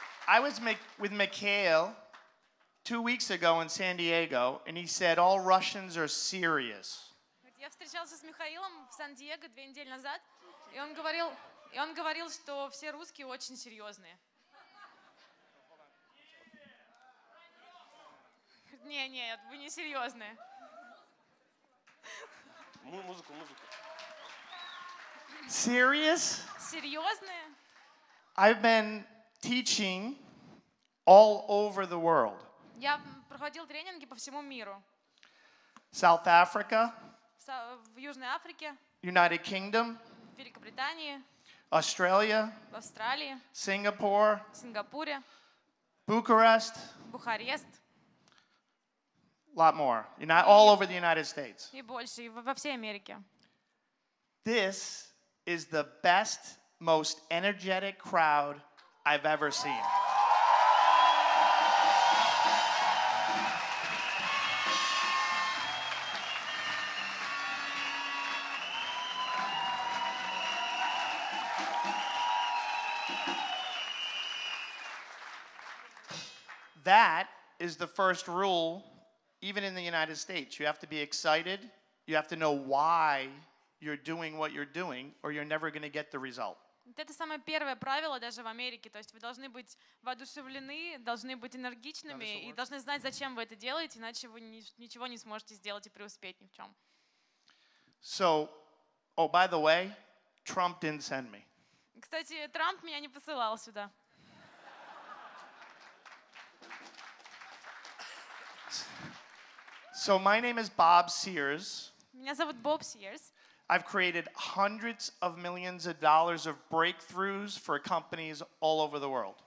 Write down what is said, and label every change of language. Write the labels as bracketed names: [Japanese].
[English] I was with Mikhail 2 weeks ago in San Diego, and he said all Russians are serious. [Russian] Я встречался с Михаилом в Сан-Диего 2 недели назад, и он говорил, что все русские очень серьезные. Нет, вы не серьезные. Музыку. [English] Serious? [Russian] Серьезные. [English] I've been teaching all over the world. [Russian] Я проходил тренинги по всему миру. [English] South Africa. [Russian] В Южной Африке. [English] United Kingdom. [Russian] Великобритании. [English] Australia. [Russian] В Австралии. [English] Singapore. [Russian] Сингапуре. [English] Bucharest. [Russian] Бухарест. [English] Lot more. All over the United States. [Russian] И больше, во всей Америке. [English] This is the best, most energetic crowd I've ever seen. That is the first rule, even in the United States. You have to be excited, you have to know why you're doing what you're doing, or you're never going to get the result. [Russian] Это самое первое правило даже в Америке. То есть вы должны быть воодушевлены, должны быть энергичными и должны знать, зачем вы это делаете, иначе вы ничего не сможете сделать и преуспеть ни в чем. [English] So, oh, by the way, Trump didn't send me. [Russian] Кстати, Трамп меня не посылал сюда. [English] So, my name is Bob Sears. [Russian] Меня зовут Боб Сиерс. [English] I've created hundreds of millions of dollars of breakthroughs for companies all over the world.